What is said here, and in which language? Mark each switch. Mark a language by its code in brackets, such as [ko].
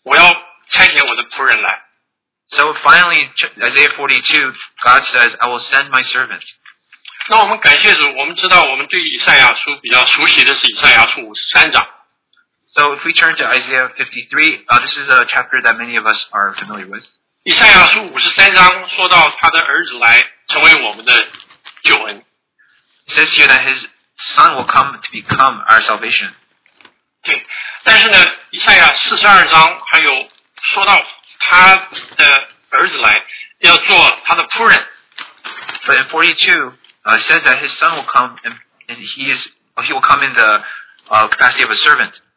[zh] 对，所以到以赛亚书的42章，他就说，我要差遣我的仆人来。 [en] So finally, Isaiah 42, God says, I will send my servant. [zh] 那我们感谢主，我们知道我们对以赛亚书比较熟悉的是以赛亚书53章。 [en] So if we turn to Isaiah 53, this is a chapter that many of us are familiar with. [zh] 以赛亚书53章说到他的儿子来成为我们的救恩。 [en] It says here that his son will come to become our salvation. [zh] 对，但是呢，以赛亚42章还有说到他的儿子来要做他的仆人。 [en] But in 42, says that his son will come and he will come in the capacity of a servant.